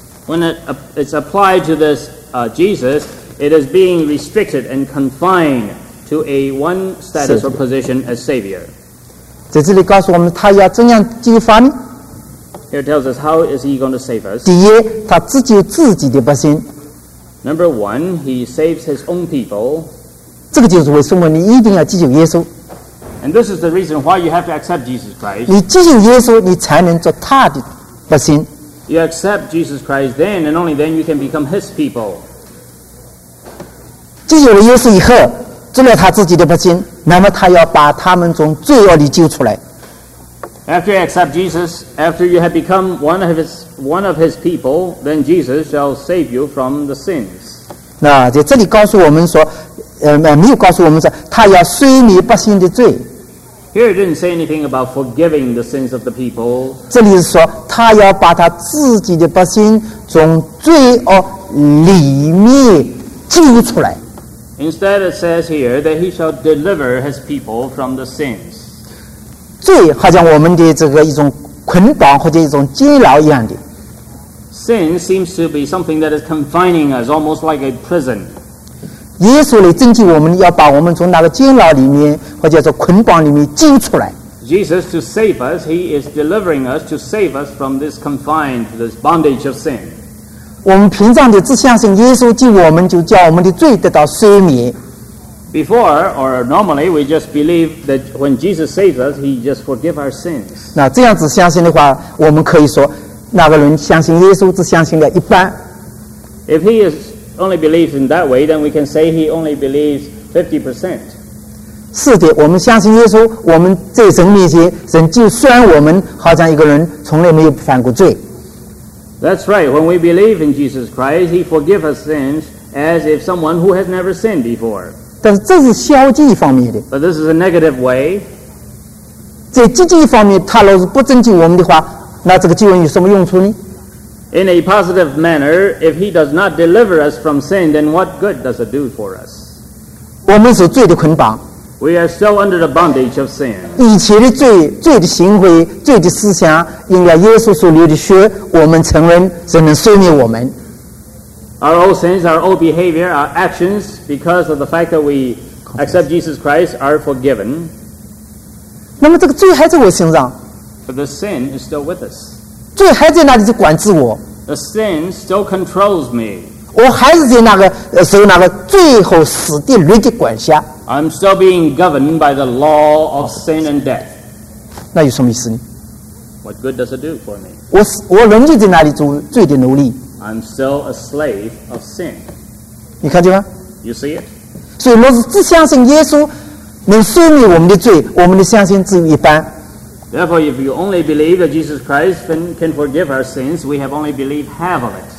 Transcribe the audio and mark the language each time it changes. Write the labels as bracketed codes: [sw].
[en] When it's applied to this Jesus, it is being restricted and confined to a one status or position as Savior. [zh] 在这里告诉我们，他要怎样救法呢？ [en] Here it tells us how is he going to save us. [zh] 第一，他自己有自己的百姓。 [en] Number one, he saves his own people. [zh] 这个就是为什么你一定要接受耶稣。 [en] And this is the reason why you have to accept Jesus Christ. [zh] 你接受耶稣，你才能做他的百姓。 [en] You accept Jesus Christ then, and only then you can become His people. [zh] 接受了耶稣以后，做了他自己的百姓，那么他要把他们从罪恶里救出来。 [en] After you accept Jesus, after you have become one of his people, then Jesus shall save you from the sins. [zh] 那就这里告诉我们说，没有告诉我们说他要赦免百姓的罪。 [en] Here it didn't say anything about forgiving the sins of the people. [zh] 这里是说他要把他自己的百姓从罪恶里面救出来。 [en] Instead, it says here that he shall deliver his people from the sins. [zh] 罪好像我们的这个一种捆绑或者一种监牢一样的。 [en] Sin seems to be something that is confining us, almost like a prison. [zh] 耶稣来拯救我们，要把我们从那个监牢里面，或者说捆绑里面救出来。 [en] Jesus to save us, he is delivering us to save us from this confined, this bondage of sin. [zh] 我们凭着的只相信耶稣救我们，就叫我们的罪得到赦免。 [en] Before, or normally, we just believe that when Jesus saves us, he just forgives our sins. [zh] 那这样子相信的话，我们可以说。那个人相信耶稣只相信了一半。 [en] If he is only believes in that way, then we can say he only believes 50%. [zh] 是的，我们相信耶稣，我们在神面前，神就算我们好像一个人从来没有犯过罪。 [en] That's right. When we believe in Jesus Christ, he forgives us sins as if someone who has never sinned before. [zh] 但是这是消极方面的。 [en] But this is a negative way. [zh] 在积极方面，他若是不拯救我们的话。那这个救恩有什么用处呢？ [en] In a positive manner, if he does not deliver us from sin, then what good does it do for us? [zh] 我们是罪的捆绑。 [en] We are still under the bondage of sin. [zh] 以前的罪、罪的行为、罪的思想，因着耶稣所流的血，我们承认神能赦免我们。 [en] Our old sins, our old behavior, our actions, because of the fact that we accept Jesus Christ, are forgiven. [zh] 那么这个罪还在我身上。 [en] But the sin is still with us. [zh] 罪还在那里就管制我。 [en] The sin still controls me. [zh] 我还是在那个受那个罪和死的律的管辖。 [en] I'm still being governed by the law of sin and death. [zh] 那有什么意思呢？ [en] What good does it do for me? [zh] 我仍旧在那里做罪的奴隶。 [en] I'm still a slave of sin. [zh] 你看见吗？ [en] You see it? [zh] 所以我只相信耶稣能赦免我们的罪，我们的相信只有一般。 [en] Therefore, if you only believe that Jesus Christ can forgive our sins, we have only believed half of it.